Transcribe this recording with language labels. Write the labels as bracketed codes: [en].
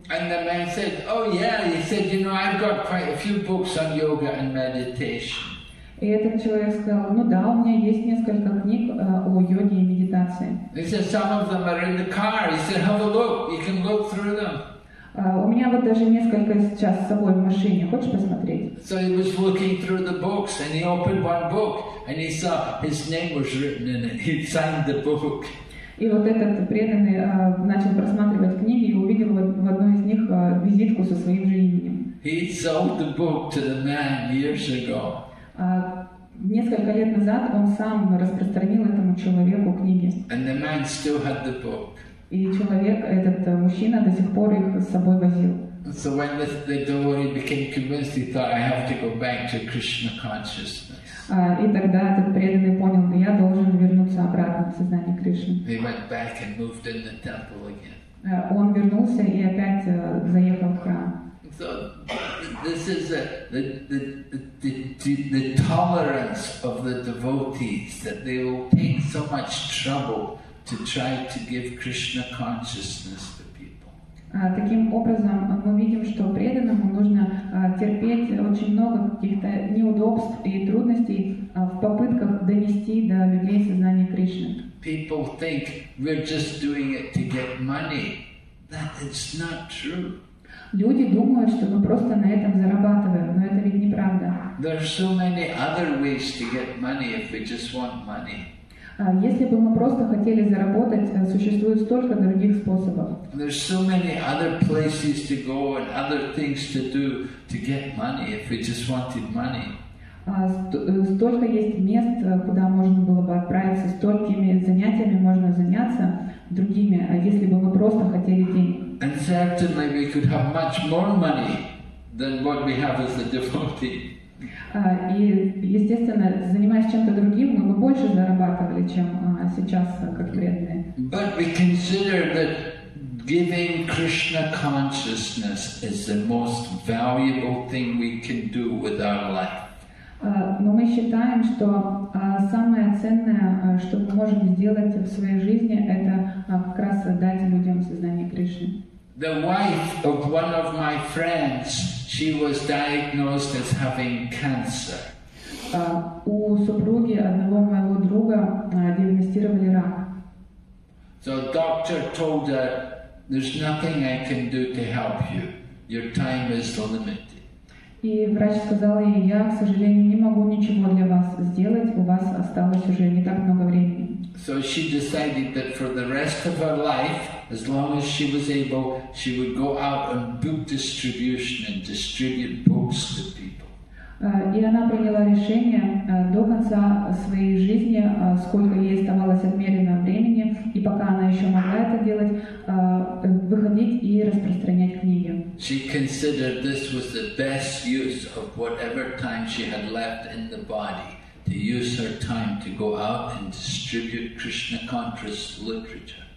[en] And the man said, "Oh yeah," he said, "you know, I've got quite a few books on yoga and meditation." [ru] И этот человек сказал, ну да, у меня есть несколько книг о йоге и медитации. [en] He said, "some of them are in the car." He said, "have a look. You can look through them." [ru] У меня вот даже несколько сейчас с собой в машине. Хочешь посмотреть? [en] So he was looking through the books, and he opened one book, and he saw his name was written in it. He signed the book. [ru] И вот этот преданный начал просматривать книги и увидел в одной из них визитку со своим же именем. [en] He sold the book to the man years ago. [ru] Несколько лет назад он сам распространил этому человеку книги. [en] And the man still had the book. [ru] И человек, этот мужчина, до сих пор их с собой возил. [en] So when the devotee became convinced, he thought, "I have to go back to Krishna consciousness." [ru] И тогда этот преданный понял, я должен вернуться обратно в сознание Кришны. [en] He went back and moved in the temple again. [ru] Он вернулся и опять заехал в храм. [en] So this is the tolerance of the devotees, that they will take so much trouble to try to give Krishna consciousness to people. [ru] Таким образом, мы видим, что преданному нужно терпеть очень много каких-то неудобств и трудностей в попытках донести до людей сознание Кришны. [en] People think we're just doing it to get money. That is not true. [ru] Люди думают, что мы просто на этом зарабатываем, но это ведь неправда. [en] There are so many other ways to get money if we just want money. [ru] Если бы мы просто хотели заработать, существует столько других способов. [en] There's so many other places to go and other things to do to get money if we just wanted money. [ru] Столько есть мест, куда можно было бы отправиться, столькими занятиями можно заняться другими, если бы мы просто хотели денег. [en] And certainly we could have much more money than what we have as a devotee. [ru] И, естественно, занимаясь чем-то другим, мы бы больше зарабатывали, чем сейчас, как преданные. [en] But we consider that giving Krishna consciousness is the most valuable thing we can do with our life. [ru] Но мы считаем, что самое ценное, что мы можем сделать в своей жизни, это как раз дать людям сознание Кришны. [en] The wife of one of my friends, she was diagnosed as having cancer. [ru] У супруги одного моего друга диагностировали рак. [en] So the doctor told her, "There's nothing I can do to help you. Your time is limited." [ru] И врач сказал ей, "Я, к сожалению, не могу ничего для вас сделать. У вас осталось уже не так много времени." [en] So she decided that for the rest of her life, as long as she was able, she would go out on book distribution and distribute books to people. [ru] И она приняла решение до конца своей жизни, сколько ей оставалось отмеренного времени, и пока она еще могла это делать, выходить и распространять книги. [en] She considered this was the best use of whatever time she had left in the body, to use her time to go out and distribute Krishna conscious literature.